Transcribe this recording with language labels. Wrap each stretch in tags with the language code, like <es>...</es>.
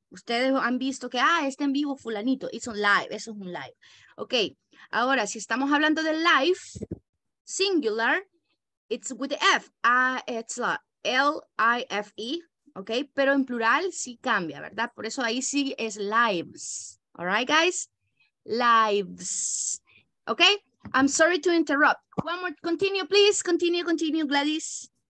<es>Ustedes han visto que, ah, está en vivo fulanito.</es> <en>It's on live,</en> <es>eso es un</es> <en>live. Okay,</en> <es>ahora, si estamos hablando de</es> <en>live, singular, it's with the F, it's L-I-F-E, okay?</en> <es>Pero en plural sí cambia, ¿verdad? Por eso ahí sí es lives,</es> <en>all right, guys? Lives, okay? I'm sorry to interrupt. One more, continue, please. Continue, continue, Gladys.</en>